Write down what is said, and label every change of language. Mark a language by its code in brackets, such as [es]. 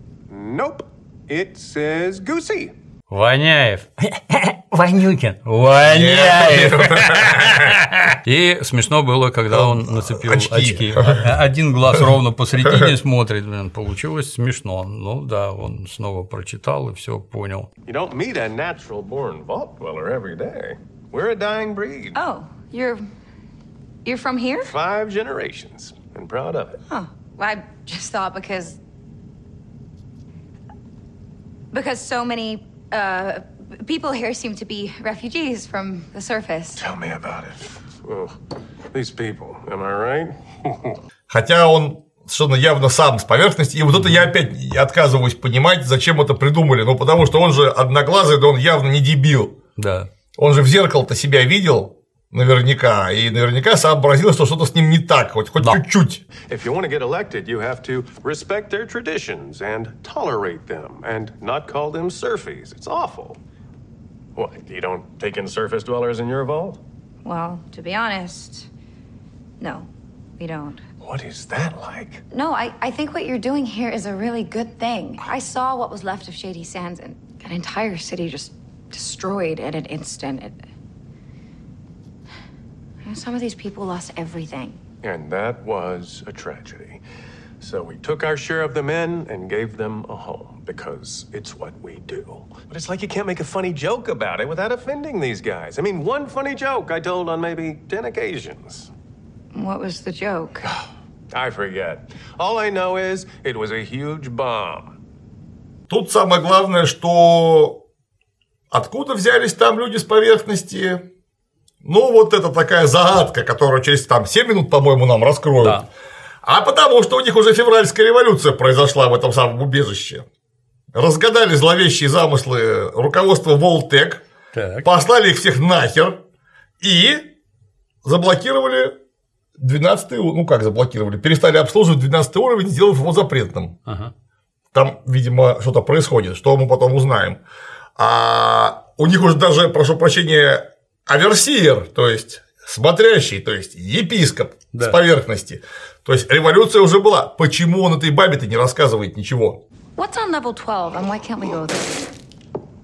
[en] Nope, it says Goosey. [ru] Воняев. Вонюкин. Воняев. И смешно было, когда он нацепил очки. Один глаз ровно посередине смотрит. Получилось смешно. Ну да, он снова прочитал и все понял. [en] You don't meet a natural-born vault dweller every day. We're a dying breed. Oh, you're from here? 5 generations. And proud of it. Oh, well, I just thought because... Because so many people here seem to be refugees from the surface. Tell me about it. Oh, these people, am I right? [ru] Хотя он совершенно явно сам с поверхности. И вот это я опять отказываюсь понимать, зачем это придумали. Ну, потому что он же одноглазый, да он явно не дебил. Да. Он же в зеркало-то себя видел наверняка, и наверняка сообразил, что что-то с ним не так, хоть да. чуть-чуть. [en] If you want to get elected, you have to respect their traditions and tolerate them, and not call them surfies. It's awful. What, you don't take in surface dwellers in your vault? Well, to be honest, no, we don't. What is that like? No, I think what you're doing here is a really good thing. I saw what was left of Shady Sands, and an entire city just destroyed in an instant. It, you know, some of these people lost everything. And that was a tragedy. So we took our share of them in and gave them a home, because it's what we do. But it's like you can't make a funny joke about it without offending these guys. I mean, one funny joke I told on maybe 10 occasions. What was the joke? I forget. All I know is it was a huge bomb. [ru] Тут самое главное, что откуда взялись там люди с поверхности? Ну, вот это такая загадка, которую через там 7 минут, по-моему, нам раскроют. Да. А потому что у них уже февральская революция произошла в этом самом убежище. Разгадали зловещие замыслы руководства Волтек, послали их всех нахер и заблокировали 12-й уровень. Ну, как заблокировали? Перестали обслуживать 12-й уровень, сделав его запретным. Ага. Там, видимо, что-то происходит, что мы потом узнаем. А у них уже даже, прошу прощения, оверсиер, то есть смотрящий, то есть епископ да. с поверхности. То есть революция уже была. Почему он этой бабе-то не рассказывает ничего? [en] What's on level 12, and why can't we go there?